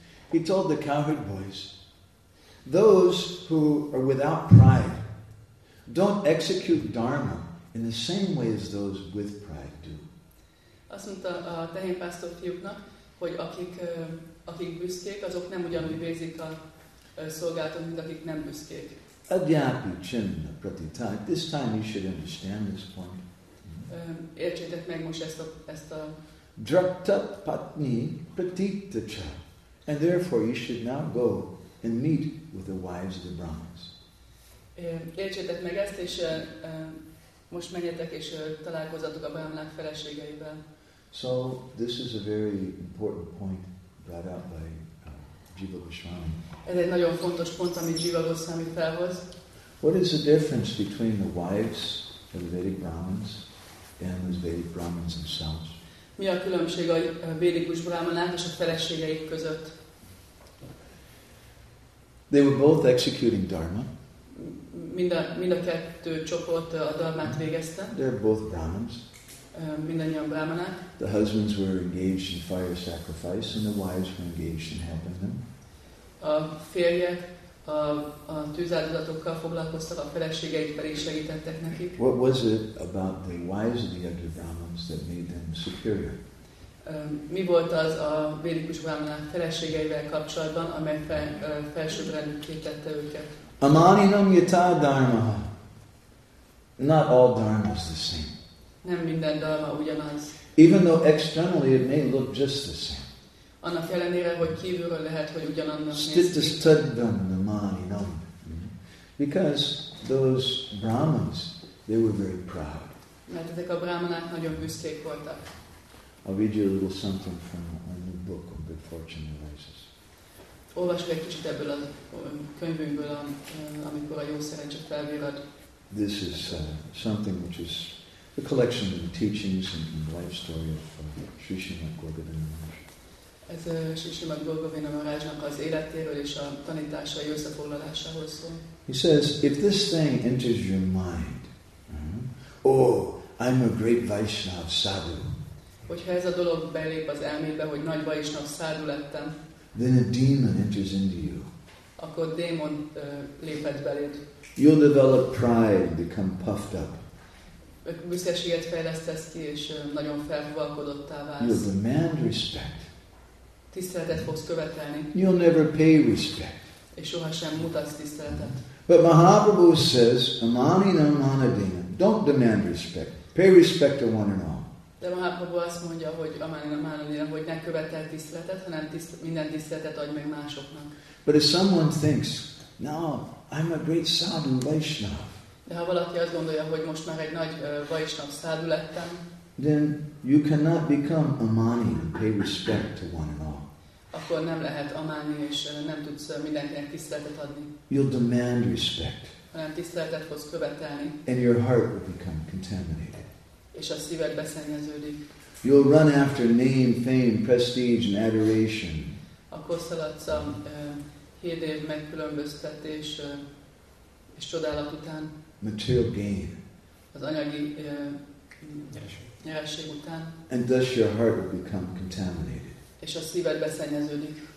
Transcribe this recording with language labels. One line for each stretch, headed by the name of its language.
English: He told the cowherd boys, those who are without pride don't execute dharma in the same way as those with pride do.
Hungarian: Azt mondta a tehénpásztor fiúknak, hogy akik büszkék, azok nem ugyanúgy végzik a szolgálatot, mint akik nem büszkék.
Sanskrit: Adyapi chinna pratita.
English: This time you should understand this point.
Hungarian: Értsétek meg most ezt a
Sanskrit: drakta patni pratita cha.
English: And therefore you should now go and meet with the wives of the Brahmins.
Hungarian: Értsétek meg ezt, és most menjetek, és találkozzatok a Brahmanák feleségeivel.
English: So, this is a very important point brought out by Jiva Goswami.
Hungarian: Ez egy nagyon fontos pont, amit Jiva Goswami felhoz.
English: What is the difference between the wives of the Vedic Brahmins and the Vedic Brahmins themselves?
Hungarian: Mi a különbség a védikus Brahmanák és a feleségeik között?
English: They were both executing dharma.
Hungarian: Mind a kettő csoport a dharmát végezte.
English: They're both Brahmins.
Hungarian: Mindannyian brahmanák.
English: The husbands were engaged in fire sacrifice, and the wives were engaged in helping them.
Hungarian: A férjek a tűzáldozatokkal foglalkoztak, a feleségeik pedig segítettek nekik.
English: What was it about the wives of the other Brahmins that made them superior?
Hungarian: Mi volt az a védikus brahmanák feleségeivel kapcsolatban, amely felsőbbrendűvé tette őket?
Sanskrit: Amaninam yata dharma.
English: Not all dharma is the same.
Hungarian: Nem minden dharma ugyanaz.
English: Even though externally it may look just the same.
Hungarian: Annak ellenére, hogy kívülről lehet, hogy ugyanannak néz ki.
Sanskrit: Stittastaddam amaninam.
English: Because those Brahmins, they were very proud.
Hungarian: Mert ezek a brahmanák nagyon büszkék voltak.
English: I'll read you a little something from a new book on Good Fortune Arises.
Hungarian: Olvasd egy kicsit ebből a könyvünkből, amikor a jó szerencse felvirad.
English: This is something which is a collection of the teachings and the life story of Sri Srimad Gaurabindra Maharaj.
Hungarian: Ez Sri Srimad Gaurabindra Maharajnak az életéről és a tanításai összefoglalásához szól.
English: He says, if this thing enters your mind, Oh, I'm a great Vaishnav sadhu.
Hungarian: Hogyha ez a dolog belép az elmébe, hogy nagy Vaishnav sadhu lettem.
English: Then a demon enters into you.
Hungarian: Akkor démon léphet beléd.
English: You'll develop pride, become puffed up.
Hungarian: Büszkeséget fejlesztesz ki, és nagyon felfúvalkodottá válsz.
English: You'll demand respect.
Hungarian: Tiszteletet fogsz követelni.
English: You'll never pay respect.
Hungarian: És sohasem mutatsz tiszteletet.
English: But Mahaprabhu says,
Sanskrit: amanina manadina,
English: don't demand respect. Pay respect to one and all.
Hungarian: De Mahaprabhu azt mondja, hogy
Sanskrit: amanina manadina,
Hungarian: hogy ne követel tiszteletet, hanem minden tiszteletet adj meg másoknak.
English: But if someone thinks, no, I'm a great sadhu Vaishnav.
Hungarian: De ha valaki azt gondolja, hogy most már egy nagy Vaishnav sadhu lettem,
English: then you cannot become amani and pay respect to one and all.
Hungarian: Akkor nem lehet amani, és nem tudsz mindenkinek tiszteletet adni.
English: You'll demand respect.
Hungarian: Hanem tiszteletet fogsz követelni.
English: And your heart will become contaminated.
Hungarian: És a szíved beszennyeződik.
English: You'll run after name, fame, prestige and adoration.
Hungarian: Akkor szaladsz a hírnév megkülönböztetés és csodálat után.
English: Material gain.
Hungarian: Az anyagi nyeresség után.
English: And thus your heart will become contaminated.
Hungarian: És a szíved beszennyeződik.